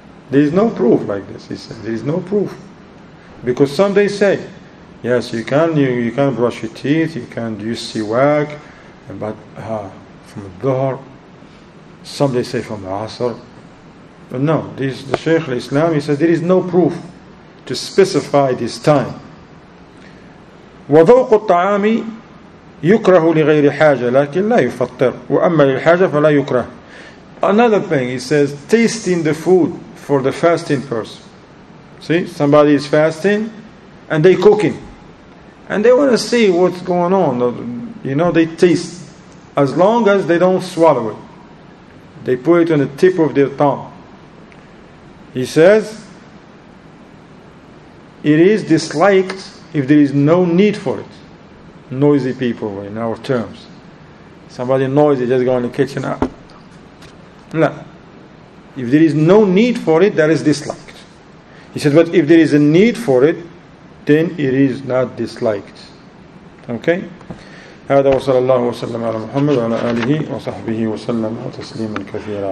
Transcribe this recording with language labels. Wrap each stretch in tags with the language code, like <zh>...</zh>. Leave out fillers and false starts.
<en>There is no proof like this, he says. There is no proof. Because some they say, yes, you can. You can brush your teeth. You can use siwak, but from dhuhr, some they say from asr. But no, this the Shaykh al-Islam, he says there is no proof to specify this time.</en> <ar>وذوق الطعام يكره لغير حاجة لكن لا يفطر وأما للحاجة فلا يكره.</ar> <en>Another thing, he says, tasting the food for the fasting person. See, somebody is fasting, and they cooking. And they want to see what's going on. You know, they taste. As long as they don't swallow it, they put it on the tip of their tongue. He says, it is disliked if there is no need for it. Noisy people, in our terms. Somebody noisy, just go in the kitchen. No. If there is no need for it, that is disliked. He says, but if there is a need for it, then it is not disliked. Okay?</en> <ar>هذا وصلى الله وسلم على محمد وعلى آله وصحبه وسلم وتسليما كثيرا.</ar>